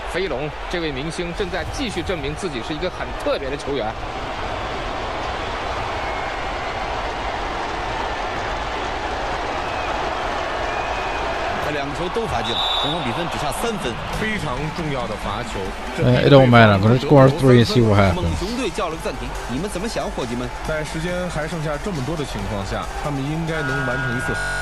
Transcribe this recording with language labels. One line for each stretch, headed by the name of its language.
Chinese: 飞龙这位明星正在继续证明自己是一个很特别的球员。他两个球都罚进了，双方比分只差三分，非常重要的罚球。
English: It don't matter, gonna score three and see what happens.
Chinese: 猛熊队叫了个暂停，你们怎么想，伙计们？在时间还剩下这么多的情况下，他们应该能完成一次。